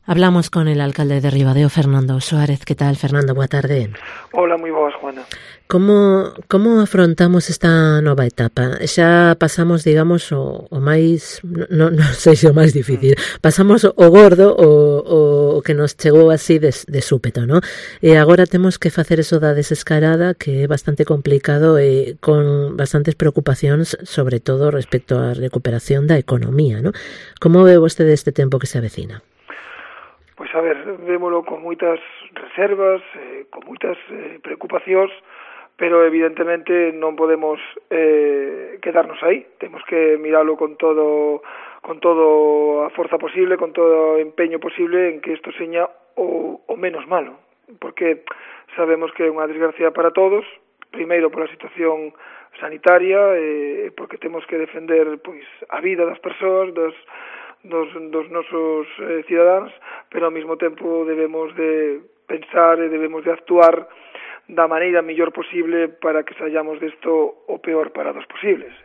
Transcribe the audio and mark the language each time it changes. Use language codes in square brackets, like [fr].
[es] Hablamos con el alcalde de Ribadeo, Fernando Suárez. ¿Qué tal, Fernando? Buenas tardes. Hola, muy buenas, Juana. ¿Cómo afrontamos esta nueva etapa? [gl] Xa pasamos, digamos, o máis, non sei se o máis difícil, pasamos o gordo o que nos chegou así de súpeto, ¿no? E agora temos que facer eso da desescalada, que é bastante complicado e con bastantes preocupacións, sobre todo respecto á recuperación da economía, ¿no? ¿Cómo ve vostede este tempo que se avecina? Pois, a ver, vémolo con moitas reservas, con moitas preocupacións, pero evidentemente non podemos quedarnos aí. Temos que miralo con todo a forza posible, con todo o empeño posible en que isto seña o menos malo. Porque sabemos que é unha desgracia para todos, primeiro pola situación sanitaria, porque temos que defender pois a vida das persoas, dos nosos cidadáns, pero ao mesmo tempo debemos de pensar e debemos de actuar da maneira mellor posible para que saiamos desto o peor parados posibles.